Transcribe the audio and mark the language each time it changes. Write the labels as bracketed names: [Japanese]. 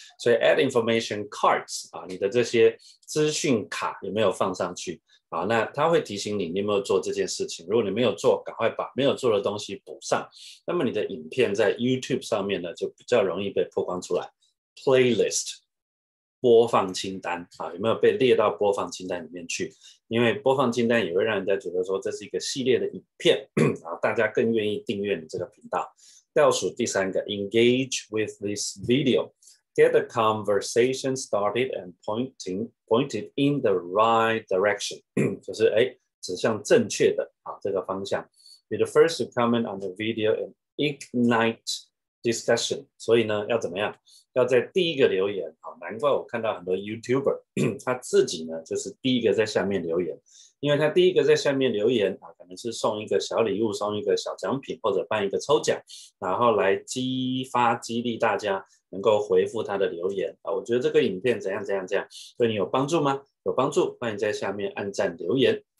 [Chinese] 所以 [English] add information cards、 [Chinese] 啊、你的这些资讯卡有没有放上去、啊、那他会提醒你你有没有做这件事情，如果你没有做赶快把没有做的东西补上，那么你的影片在 YouTube 上面呢就比较容易被曝光出来。 Playlist 播放清单、啊、有没有被列到播放清单里面去，因为播放清单也会让人家觉得说这是一个系列的影片，然后大家更愿意订阅你这个频道。倒数第三个 [English] engage with this video， get the conversation started and pointed in the right direction， [Chinese] 就是哎指向正确的、啊、这个方向。 [English] be the first to comment on the video and ignite discussion， [Chinese] 所以呢要怎么样，要在第一个留言，难怪我看到很多 YouTuber 他自己呢就是第一个在下面留言，因为他第一个在下面留言可能是送一个小礼物，送一个小奖品，或者办一个抽奖，然后来激发激励大家能够回复他的留言，我觉得这个影片怎样怎样怎样对你有帮助吗，有帮助欢迎在下面按赞留言。